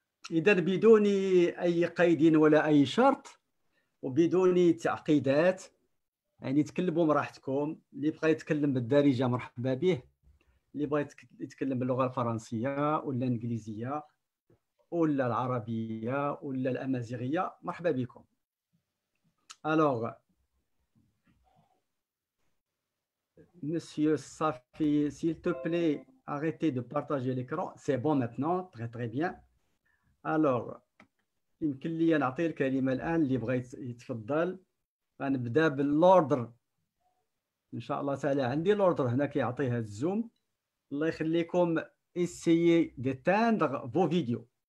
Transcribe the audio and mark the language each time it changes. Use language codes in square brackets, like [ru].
[ar] اذا بدون اي قيد ولا اي شرط وبدون تعقيدات يعني تكلموا براحتكم اللي بغى يتكلم بالدارجه مرحبا به اللي بغى يتكلم باللغه الفرنسيه ولا الانجليزيه ولا العربية ولا الأمازيغية مرحبا بكم. [fr] Alors monsieur Safi s'il te plaît arrêtez de partager l'écran c'est bon maintenant très très bien. [ar] Alors يمكن لي نعطي الكلمة الآن اللي بغيت يتفضل غنبدا بالأوردر ان شاء الله تعالى عندي الأوردر هنا كيعطيها الزوم الله يخليكم [fr] essayez d'éteindre vos vidéos.